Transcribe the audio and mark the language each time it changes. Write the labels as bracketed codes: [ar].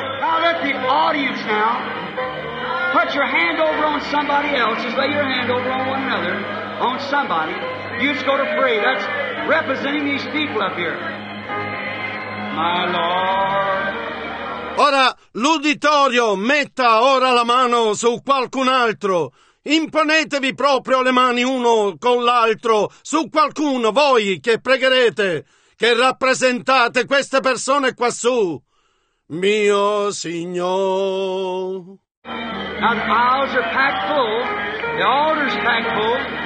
[en] Now let the audience now put your hand over on somebody else. Just lay your hand over on one another, on somebody. You just go to pray. That's representing these people up here. My Lord. [it] Ora l'uditorio metta ora la mano su qualcun altro. Imponetevi proprio le mani uno con l'altro su qualcuno, voi che pregherete, che rappresentate queste persone quassù. Mio Signore. [en] Now the aisles are packed full, the altar's packed full.